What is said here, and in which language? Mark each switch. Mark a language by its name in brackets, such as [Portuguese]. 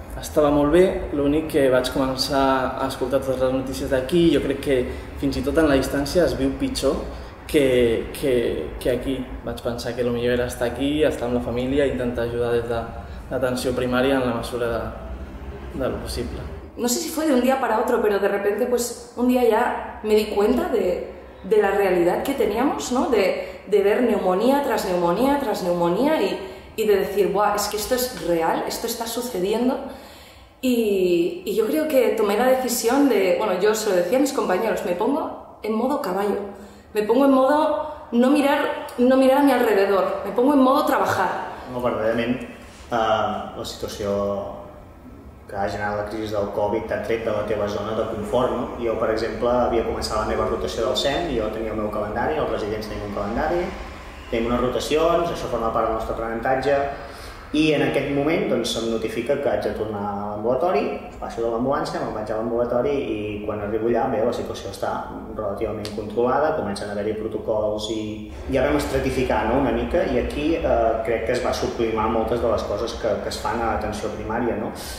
[Catalan] Estava molt bé, l'únic que vaig començar a escoltar totes les notícies d'aquí, jo crec que fins i tot en la distància es viu pitjor que aquí. Vaig pensar que el millor era estar aquí, estar amb la família i intentar ajudar des de l'atenció primària en la mesura de lo possible. [Spanish] No sé si fue de un día para otro, pero de repente pues un día ya me di cuenta de la realidad que teníamos, ¿no? De ver neumonía tras neumonía tras neumonía y de decir, ¡buah! Es que esto es real, esto está sucediendo. Y yo creo que tomé la decisión de, bueno, yo se lo decía a mis compañeros, me pongo en modo caballo, me pongo en modo no mirar a mi alrededor, me pongo en modo trabajar. [Catalan] No, verdaderament, la situació que ha generat la crisi del Covid t'ha tret de la teva zona de confort, no? Jo, per exemple, havia començat la meva rotació del SEM, jo tenia el meu calendari, els residents tenien un calendari, tenim unes rotacions, això forma part del nostre aprenentatge, i en aquest moment doncs, se'm notifica que haig de tornar a l'ambulatori, passo de l'ambulància, me'n vaig a l'ambulatori i quan arribo allà, bé, la situació està relativament controlada, comencen a haver-hi protocols i ja vam estratificar, no?, una mica, i aquí crec que es va sublimar moltes de les coses que es fan a l'atenció primària, no?